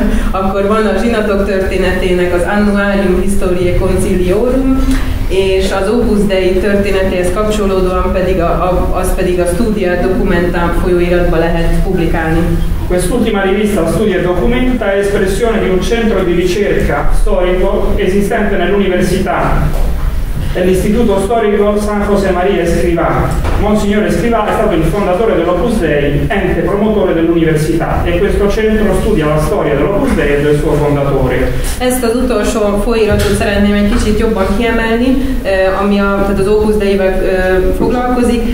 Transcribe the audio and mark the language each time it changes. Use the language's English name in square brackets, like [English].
[Hungarian] Akkor van a zsinatok történetének az Annuarium Historiae Conciliorum, és az Opus Dei történetéhez kapcsolódóan pedig a Studia Documenta folyóiratba lehet publikálni. [Italian] Quest'ultima rivista Studia Documenta è espressione di un centro di ricerca storico esistente nell'università, dell'Istituto Storico San José María Escrivá. Monsignore Escrivá è stato il fondatore dell'Opus Dei, ente promotore dell'università, e questo centro studia la storia dell'Opus Dei e del suo fondatore. [Hungarian] Ezt az utolsó folyiratot szeretném egy kicsit jobban kiemelni, ami tehát az Opus Dei-vel foglalkozik.